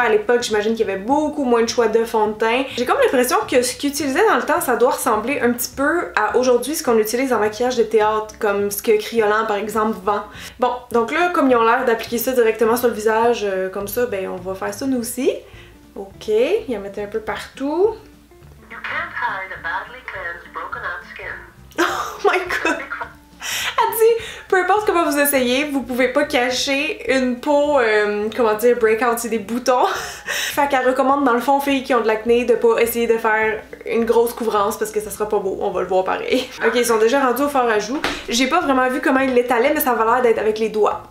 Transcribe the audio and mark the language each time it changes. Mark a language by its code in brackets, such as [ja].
[fr] À l'époque, j'imagine qu'il y avait beaucoup moins de choix de fond de teint. J'ai comme l'impression que ce qu'ils utilisaient dans le temps, ça doit ressembler un petit peu à aujourd'hui ce qu'on utilise en maquillage de théâtre, comme ce que Criolan par exemple vend. Bon, donc là, comme ils ont l'air d'appliquer ça directement sur le visage, comme ça, ben on va faire ça nous aussi. Ok, il y en mettait un peu partout. [en] You can't hide a badly cleansed, broken out skin. Oh my god! [fr] Elle dit, peu importe comment vous essayez, vous pouvez pas cacher une peau, comment dire, breakout, c'est des boutons. Fait qu'elle recommande dans le fond, filles qui ont de l'acné, de pas essayer de faire une grosse couvrance parce que ça sera pas beau, on va le voir pareil. Ok, ils sont déjà rendus au fard à joues. J'ai pas vraiment vu comment ils l'étalaient, mais ça avait l'air d'être avec les doigts.